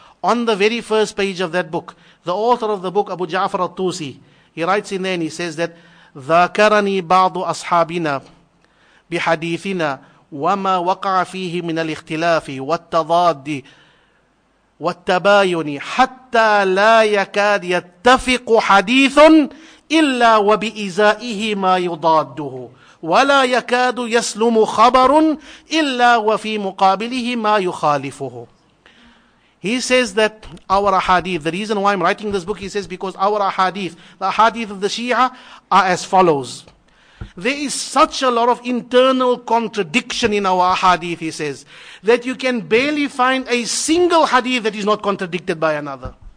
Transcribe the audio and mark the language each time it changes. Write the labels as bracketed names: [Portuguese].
[English] On the very first page of that book, the author of the book, Abu Ja'far al-Tusi, he writes in there and he says that, [Arabic] ذَكَرَنِي بَعْضُ أَصْحَابِنَا بِحَدِيثِنَا وَمَا وَقَعَ فِيهِ مِنَ الْإِخْتِلَافِ وَالتَّضَادِّ وَالتَّبَايُنِ حَتَّى لَا يَكَادْ يَتَّفِقُ حَدِيثٌ إِلَّا وَبِإِزَائِهِ مَا يُضَادُّهُ. ولا يكاد يسلم خبر إلا وفي مقابله ما يخالفه. [English] He says that our ahadith, the reason why I'm writing this book, he says, because our ahadith, the ahadith of the Shia, are as follows. There is such a lot of internal contradiction in our ahadith, he says, that you can barely find a single hadith that is not contradicted by another.